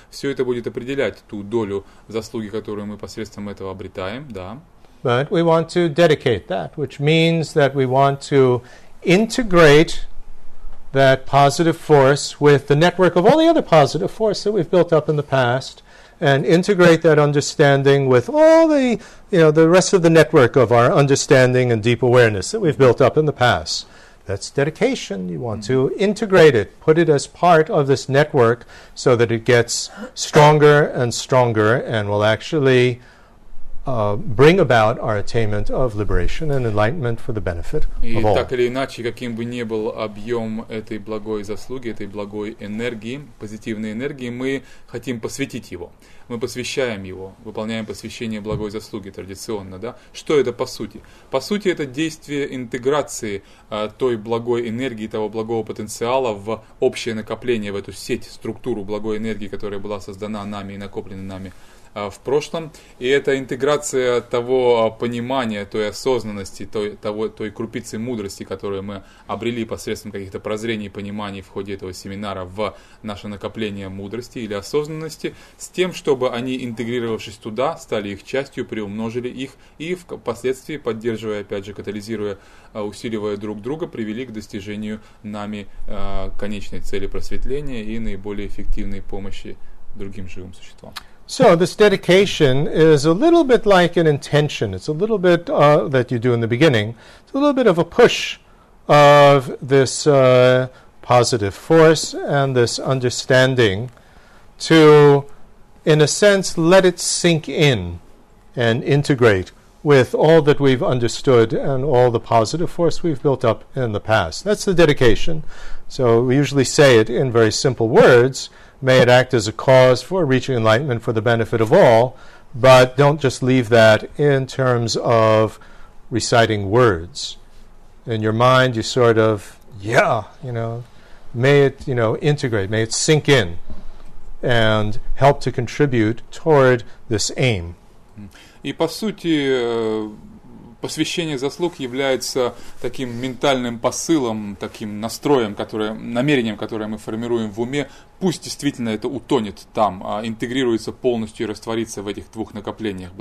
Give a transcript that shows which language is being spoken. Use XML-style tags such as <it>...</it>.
<ru>Все это будет определять ту долю заслуги, которую мы посредством этого обретаем, да.</ru> <en>But we want to dedicate that, which means that we want to integrate that positive force with the network of all the other positive force that we've built up in the past, and integrate that understanding with all the, you know, the rest of the network of our understanding and deep awareness that we've built up in the past. That's dedication. You want to integrate it, put it as part of this network so that it gets stronger and stronger and will actually bring about our attainment of liberation and enlightenment for the benefit of all.</en> <ru>И так или иначе, каким бы ни был объем этой благой заслуги, этой благой энергии, позитивной энергии, мы хотим посвятить его. Мы посвящаем его, выполняем посвящение благой заслуги традиционно, да? Что это по сути? По сути, это действие интеграции той благой энергии, того благого потенциала в общее накопление, в эту сеть, структуру благой энергии, которая была создана нами и накоплена нами в прошлом, и это интеграция того понимания, той осознанности, той крупицы мудрости, которую мы обрели посредством каких-то прозрений и пониманий в ходе этого семинара в наше накопление мудрости или осознанности, с тем, чтобы они, интегрировавшись туда, стали их частью, приумножили их и впоследствии, поддерживая, опять же, катализируя, усиливая друг друга, привели к достижению нами конечной цели просветления и наиболее эффективной помощи другим живым существам.</ru> <en>So this dedication is a little bit like an intention. It's a little bit that you do in the beginning. It's a little bit of a push of this positive force and this understanding to, in a sense, let it sink in and integrate with all that we've understood and all the positive force we've built up in the past. That's the dedication. So we usually say it in very simple words. May it act as a cause for reaching enlightenment for the benefit of all, but don't just leave that in terms of reciting words. In your mind, you sort of, yeah, you know, may it, you know, integrate, may it sink in and help to contribute toward this aim.</en> <ru>И по сути, посвящение заслуг является таким ментальным посылом, таким настроем, которое, намерением, которое мы формируем в уме. Пусть действительно это утонет там, интегрируется полностью и растворится в этих двух накоплениях.</ru>